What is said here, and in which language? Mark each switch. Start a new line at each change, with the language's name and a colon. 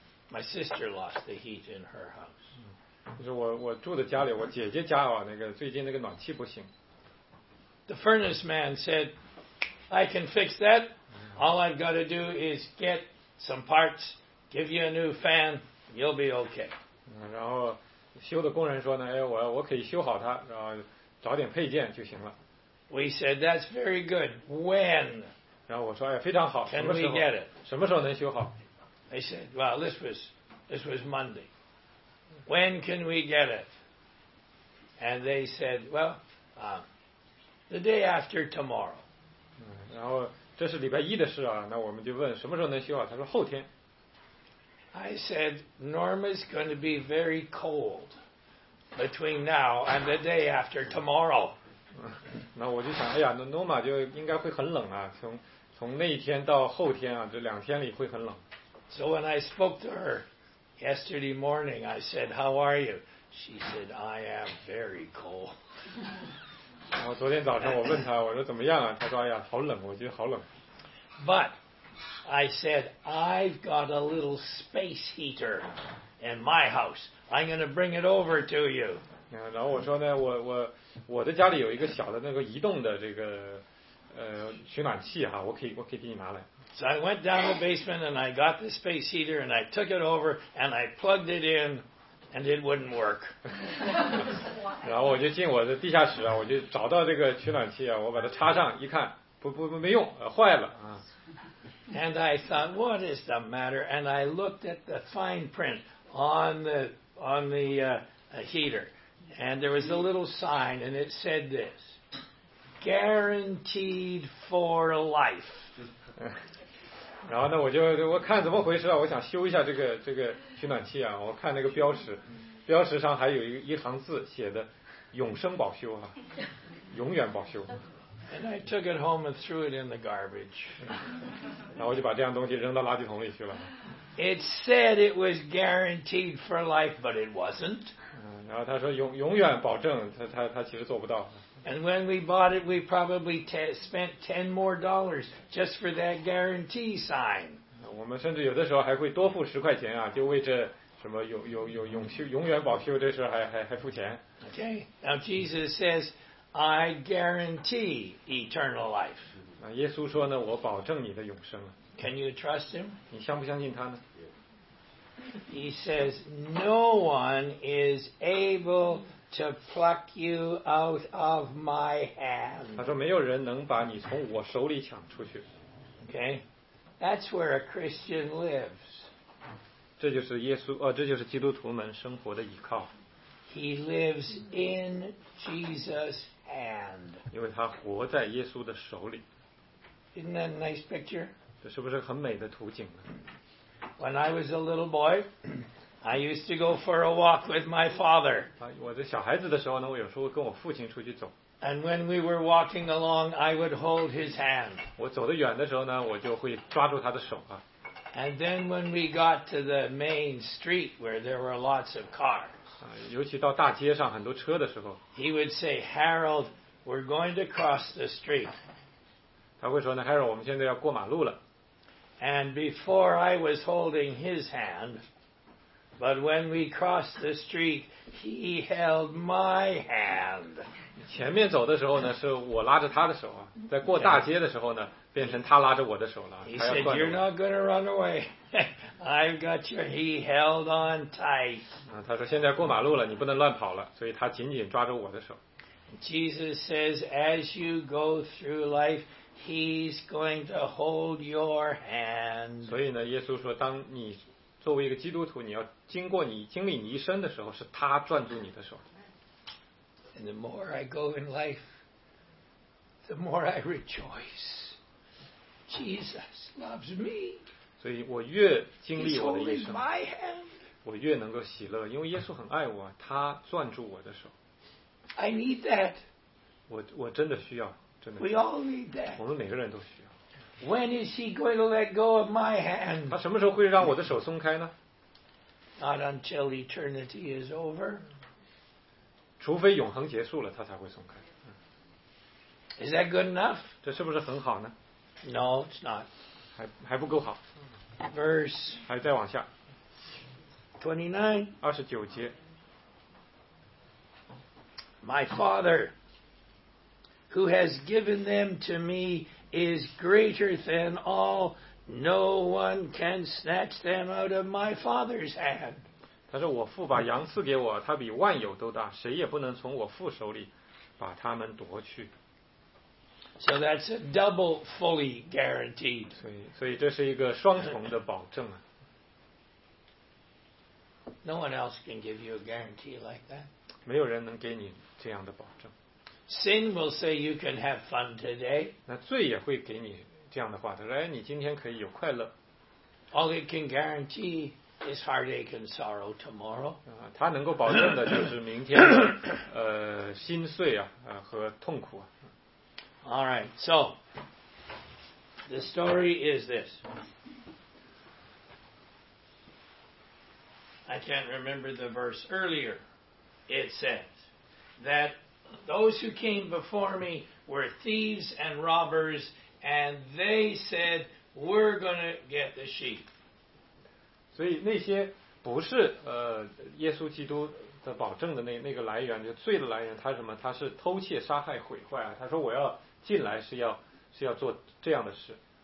English: My sister lost the heat in her house.
Chinese: 就是我住的家里，我姐姐家啊，那个最近那个暖气不行。
English: The furnace man said, I can fix that. All I've got to do is get some parts, give you a new fan, you'll be okay.
Chinese: 然后修的工人说呢，哎，我可以修好它，然后找点配件就行了。
English: We said, that's very good. When?
Chinese: 然后我说，哎，非常好。
English: Can we get it?
Chinese: 什么时候能修好？
English: They said, well, this was Monday. When can we get it? And they said, well, the day after tomorrow.
Chinese: 然后这是礼拜一的事啊，那我们就问什么时候能修好，他说后天。
English: I said, Norma's going to be very cold between now and the day after tomorrow.
Chinese: 那我就想，哎呀，那 Norma 就应该会很冷啊，从那一天到后天啊，这两天里会很冷。
English: So when I spoke to her yesterday morning, I said, how are you? She said, I am very cold.
Chinese: 然后昨天早上我问他，我说怎么样啊？他说哎呀，好冷，我觉得好冷。
English: But I said I've got a little space heater in my house. I'm going to bring it over to you.
Chinese: 然后我说呢，我的家里有一个小的那个移动的这个取暖器哈，我可以给你拿来。
English: So I went down the basement and I got the space heater and I took it over and I plugged it in. And it wouldn't work.
Chinese: 然后我就进我的地下室啊，我就找到这个取暖器啊，我把它插上，一看，不没用，坏了啊。
English: And I thought, what is the matter? And I looked at the fine print on the heater, and there was a little sign, and it said this: guaranteed for life.
Chinese: 然后呢，我看怎么回事啊？我想修一下这个取暖器啊。我看那个标识，标识上还有一行字写的“永生保修”啊，永远保修。
English: And I took it home and threw it in the garbage.
Chinese: 然后我就把这样东西扔到垃圾桶里去了。
English: It said it was guaranteed for life, but it wasn't.
Chinese: 然后他说永远保证，他其实做不到。
English: And when we bought it, we probably spent $10 more just for that guarantee sign.
Chinese: 我们甚至有的时候还会多付10块钱啊，就为这什么永远保修这事还付钱。
English: Okay, now Jesus says, I guarantee eternal life.
Chinese: 那耶稣说呢，我保证你的永生。
English: Can you trust him?
Chinese: 你相不相信他呢？
English: He says, no one is able to pluck you out of my hand.
Chinese: 他说没有人能把你从我手里抢出去。
English: Okay, that's where a Christian lives.
Chinese: 这就是耶稣，这就是基督徒们生活的依靠。
English: He lives in Jesus' hand.
Chinese: 因为他活在耶稣的手里。
English: Isn't that a nice picture?
Chinese: 这是不是很美的图景呢？
English: When I was a little boy, I used to go for a walk with my father.
Chinese: 我在小孩子的时候呢，我有时候跟我父亲出去走。
English: And when we were walking along, I would hold his hand.
Chinese: 我走得远的时候呢，我就会抓住他的手啊。
English: And then when we got to the main street where there were lots of cars,
Chinese: 尤其到大街上很多车的时候，
English: he would say, Harold, We're going to cross the street.
Chinese: 他会说呢 Harold 我们现在要过马路了。
English: And before I was holding his hand, but when we crossed the street, he held my hand.
Chinese: 前面走的时候呢是我拉着他的手啊在过大街的时候呢变成他拉着我的手了。
English: He said, you're not going to run away. I've got your, he held on tight.
Chinese: 他说现在过马路了你不能乱跑了所以他紧紧抓着我的手。
English: Jesus says, as you go through life, he's going to hold your hand.
Chinese: 所以呢耶稣说当你作为一个基督徒你要经过你经历你一生的时候是他攥住你的手。
English: And the more I go in life, the more I rejoice. Jesus loves me.
Chinese: 所以我越经历我的一生
English: He's holding my hand.
Chinese: 我越能够喜乐因为耶稣很爱我他攥住我的手。
English: I need that.
Chinese: 我真的需要真的。
English: We all need that.
Chinese: 我们每个人都需要。
English: When is he going to let go of my hand?
Chinese: 他什么时候会让我的手松开呢?
English: Not until eternity is over.
Chinese: 除非永恒结束了他才会松开。
English: Is that good enough?
Chinese: 这是不是很好呢?
English: No, it's not.
Chinese: 还不够好。
English: Verse.
Chinese: 还再往下。
English: 29.
Chinese: 二十九节。
English: My Father, who has given them to me,is greater than all. No one can snatch them out of my Father's hand.
Chinese: 他说我父把羊赐给我他比万有都大谁也不能从我父手里把他们夺去。
English: So that's a double fully guaranteed.
Chinese: 所以这是一个双重的保证啊。
English: No one else can give you a guarantee like that.
Chinese: 没有人能给你这样的保证。
English: Sin will say you can have fun today.
Chinese: 那罪也会给你这样的话，他说：“哎，你今天可以有快乐。”
English: All it can guarantee is heartache and sorrow tomorrow.
Chinese: 他能够保证的就是明天的心碎啊，和痛苦啊。
English: All right, so the story is this. I can't remember the verse earlier. It says that. Those who came before me were thieves and robbers, and they said, "We're going to get the sheep."
Chinese: 所以那些不是耶稣基督的保证的那个来源，就罪的来源，他什么？他是偷窃、杀害、毁坏啊！他说我要进来是要做这样的事。